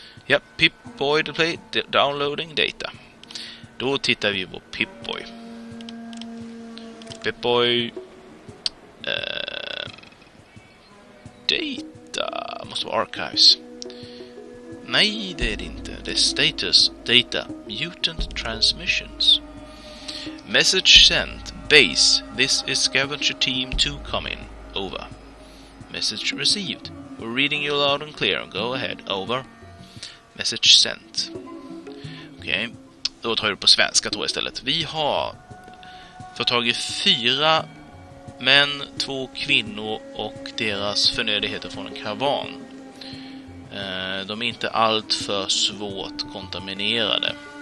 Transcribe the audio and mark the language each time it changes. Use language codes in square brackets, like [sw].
[sv] Ja, [en] Pip-Boy Display, downloading data. [sv] Då tittar vi på Pip-Boy. Pip-Boy... data... måste vara archives. Nej, det är det inte. Det är status, data, mutant transmissions. [en] Message sent, base, this is scavenger team 2 coming, over. Message received, we're reading you loud and clear, go ahead, over. Message sent. [sv] Okej, okay. Då tar vi det på svenska då istället. Vi har fått tag i 4 män, 2 kvinnor och deras förnödenheter från en karavan. De är inte allt för svårt kontaminerade.